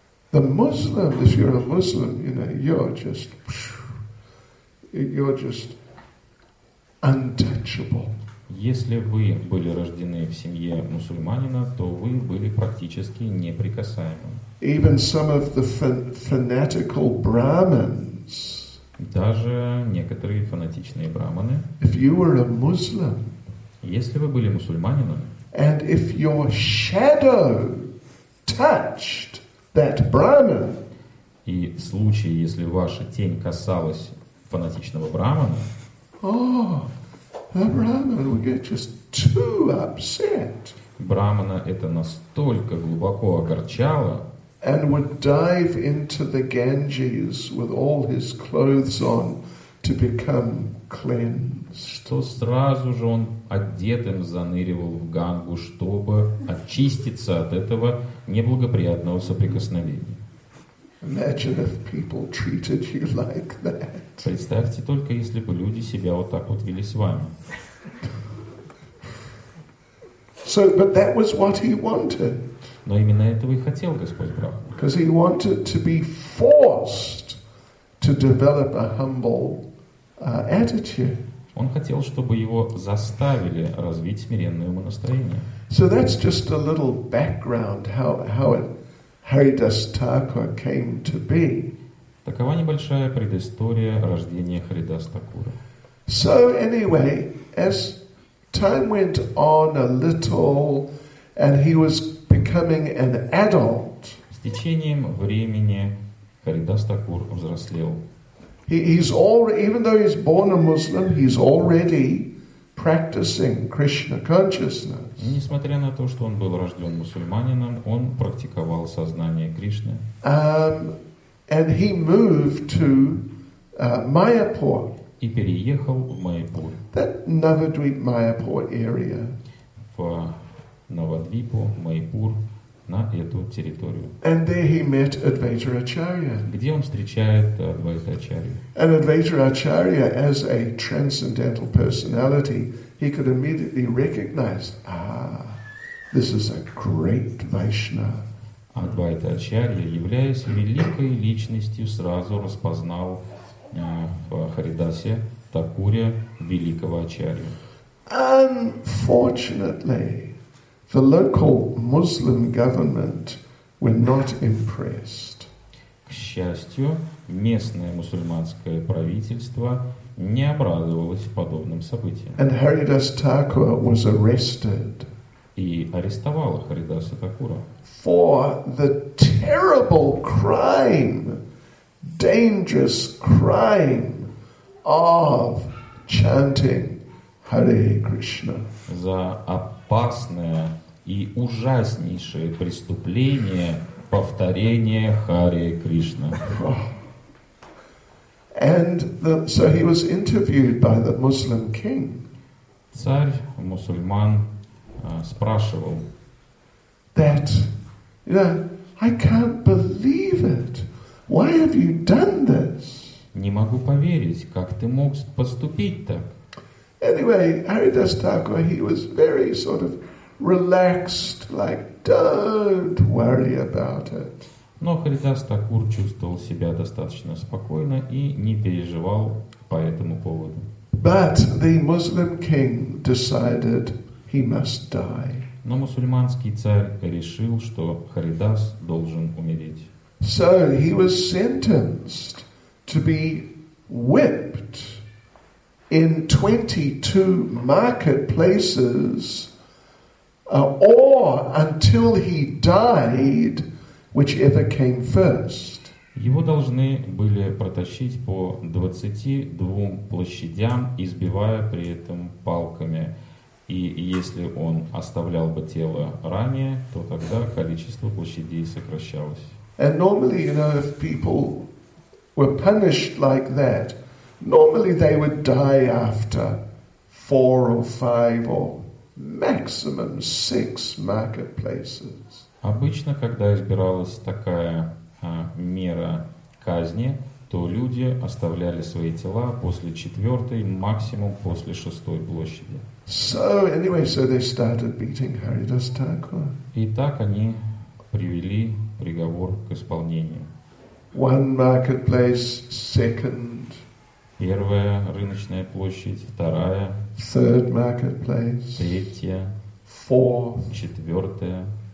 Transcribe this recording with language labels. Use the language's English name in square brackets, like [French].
[English] The Muslim, if you're a Muslim, you know, you're just untouchable. [Russian] Если вы были рождены в семье мусульманина, то вы были практически неприкасаемы. [English] Even some of the fanatical Brahmins. [Russian] Даже некоторые фанатичные брахманы. [English] If you were a Muslim. [Russian] Если вы были мусульманином. [English] And if your shadow touched that Brahmin. [Russian] И в случае, если ваша тень касалась фанатичного брахмана. [English] Oh, the brahmin would get just too upset. [Russian] Брахмана это настолько глубоко огорчало. [English] And would dive into the Ganges with all his clothes on to become cleansed. [Russian] Что сразу же он одетым заныривал в Гангу, чтобы очиститься от этого неблагоприятного соприкосновения. [English] Imagine if people treated you like that. [Russian] Представьте только, если бы люди себя вот так вот вели с вами. [English] So, but that was what he wanted. [Russian] Но именно этого и хотел Господь Брахма. [English] Because he wanted to be forced to develop a humble attitude. [Russian] Он хотел, чтобы его заставили развить смиренное умонастроение. [English] So that's just a little background how it. Haridas Thakur came to be. [Russian] Такова небольшая предыстория рождения Харидас Такура. [English] So anyway, as time went on a little and he was becoming an adult. [Russian] С течением времени Харидас Такур взрослел. [English] He's already, even though he's born a Muslim, he's already practicing Krishna consciousness. [Russian] Несмотря на то, что он был рожден мусульманином, он практиковал сознание Кришны. [English] And he moved to Mayapur. [Russian] И переехал в Майяпур. [English] That Navadvip Mayapur area. [Russian] В Навадвипу, Майяпур, на эту территорию. [English] And there he met Advaita Acharya. [Russian] Где он встречает Адвайта Ачарью? [English] And Advaita Acharya, as a transcendental personality, he could immediately recognize, this is a great Vaishnava. [Russian] Адвайта Ачарья, являясь великой личностью, сразу распознал в Харидасе Такуре великого Ачарью. [English] Unfortunately, the local Muslim government were not impressed. [Russian] К счастью, местное мусульманское правительство не обрадовалось подобным событиям. [English] And Haridas Thakur was arrested. [Russian] И арестовала Харидаса Такура. [English] For the terrible crime, dangerous crime of chanting Hare Krishna. [Russian] За опасное и ужаснейшее преступление повторения Харе Кришна. [English] And so he was interviewed by the Muslim king. [Russian] Царь мусульман спрашивал. [English] That, you know, I can't believe it. Why have you done this? [Russian] Не могу поверить, как ты мог поступить так. [English] Anyway, Haridas Thakur, he was very sort of relaxed, like, don't worry about it. [Russian] Но Харидас Такур чувствовал себя достаточно спокойно и не переживал по этому поводу. [English] But the Muslim king decided he must die. [Russian] Но мусульманский царь решил, что Харидас должен умереть. [English] So he was sentenced to be whipped in 22 marketplaces or until he died, whichever came first. [Russian] Его должны были протащить по 22 площадям, избивая при этом палками. И если он оставлял бы тело ранее, то тогда количество площадей сокращалось. [English] And normally, you know, if people were punished like that, normally they would die after 4 or 5 or maximum 6 marketplaces. [Russian] Обычно, когда избиралась такая мера казни, то люди оставляли свои тела после 4-й, максимум после 6-й площади. [English] So, anyway, so they started beating Haridas Thakur. [Russian] И так они привели приговор к исполнению. [English] One marketplace, second. [Russian] Первая рыночная площадь, вторая. [English] Third marketplace. [Russian] Третья. [English] Fourth. [Russian] Четвертая.